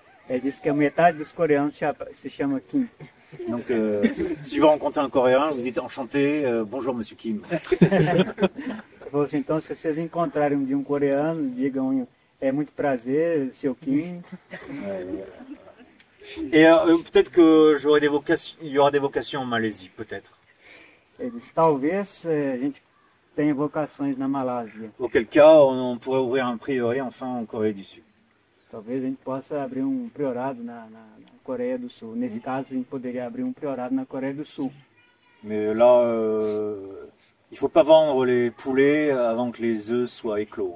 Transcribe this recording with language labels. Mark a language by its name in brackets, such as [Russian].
[Portuguese] Ele disse que a metade dos coreanos se chama Kim. [French] Donc si vous rencontrez un coréen, vous dites enchanté, bonjour monsieur Kim. [Portuguese] Vocês então se vocês encontrarem de um coreano, digam é muito prazer, seu Kim. [French] Et peut-être que j'aurai des vocations, il y aura des vocations en Malaisie, peut-être. [Portuguese] Ele disse, talvez a gente tenha vocações na Malásia. [French] Auquel cas, on pourrait ouvrir un prioré enfin en Corée du Sud. [Portuguese] Talvez a gente possa abrir um priorado na Coreia do Sul. Nesse caso, a gente poderia abrir um priorado na Coreia do Sul. [French] Mais là, il faut pas vendre les poulets avant que les œufs soient éclos.